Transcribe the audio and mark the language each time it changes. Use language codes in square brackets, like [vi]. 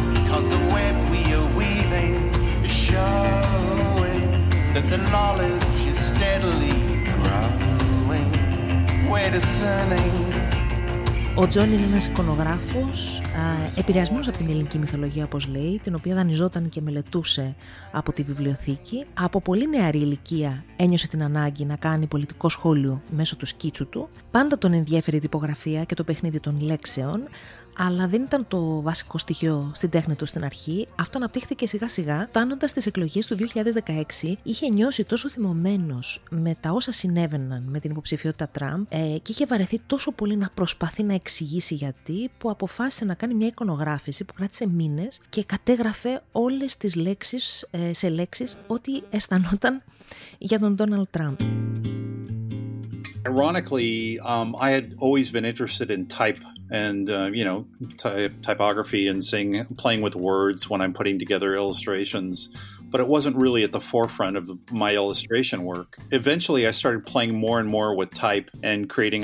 [en] Cause the web we are weaving is showing that the knowledge is steadily. [el] Ο Τζον είναι ένας εικονογράφος, επηρεασμένος από την ελληνική μυθολογία, όπως λέει, την οποία δανειζόταν και μελετούσε από τη βιβλιοθήκη. Από πολύ νεαρή ηλικία ένιωσε την ανάγκη να κάνει πολιτικό σχόλιο μέσω του σκίτσου του. Πάντα τον ενδιέφερε η τυπογραφία και το παιχνίδι των λέξεων, αλλά δεν ήταν το βασικό στοιχείο στην τέχνη του στην αρχή. Αυτό αναπτύχθηκε σιγά σιγά. Φτάνοντας στις εκλογές του 2016, είχε νιώσει τόσο θυμωμένος με τα όσα συνέβαιναν με την υποψηφιότητα Τραμπ, και είχε βαρεθεί τόσο πολύ να προσπαθεί να εξηγήσει γιατί, που αποφάσισε να κάνει μια εικονογράφηση που κράτησε μήνες και κατέγραφε όλες τις λέξεις σε λέξεις ό,τι αισθανόταν για τον Ντόναλντ Τραμπ. [en] Ironically, I had always been interested in type and, typography and playing with words when I'm putting together illustrations, but it wasn't really at the forefront of my illustration work. Eventually, I started playing more and more with type and creating.